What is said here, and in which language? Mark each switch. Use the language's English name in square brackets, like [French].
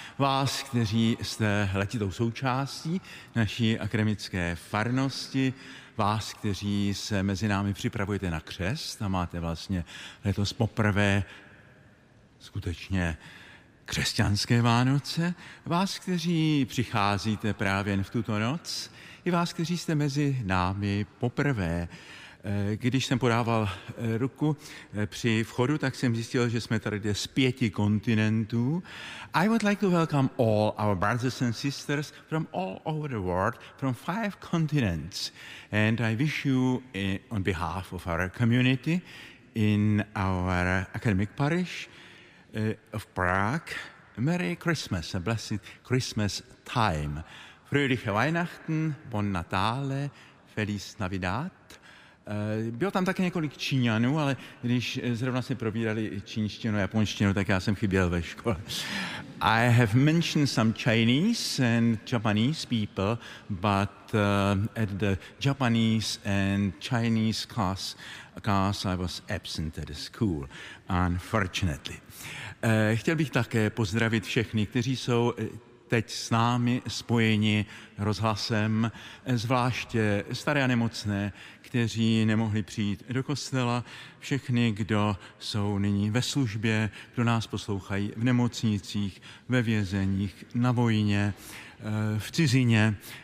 [Czech] Vás, kteří jste letitou součástí naší akademické farnosti, vás, kteří se mezi námi připravujete na křest a máte vlastně letos poprvé skutečně křesťanské Vánoce, vás, kteří přicházíte právě v tuto noc, i vás, kteří jste mezi námi poprvé. Když jsem podával ruku při vchodu, tak jsem zjistil, že jsme tady z 5 kontinentů. [English] I would like to welcome all our brothers and sisters from all over the world, from 5 continents. And I wish you, on behalf of our community, in our academic parish of Prague, Merry Christmas, a blessed Christmas time. [German] Fröhliche Weihnachten, [Italian] Bon Natale, [Spanish] Feliz Navidad. [Czech] Bylo tam také několik Číňanů, ale když zrovna se probírali čínštinu a japonštinu, tak já jsem chyběl ve škole. [English] I have mentioned some Chinese and Japanese people, but at the Japanese and Chinese class I was absent at the school, unfortunately. [Czech] Chtěl bych také pozdravit všechny, kteří jsou teď s námi spojeni rozhlasem, zvláště staré a nemocné, kteří nemohli přijít do kostela, všechny, kdo jsou nyní ve službě, kdo nás poslouchají v nemocnicích, ve vězeních, na vojně, v cizině.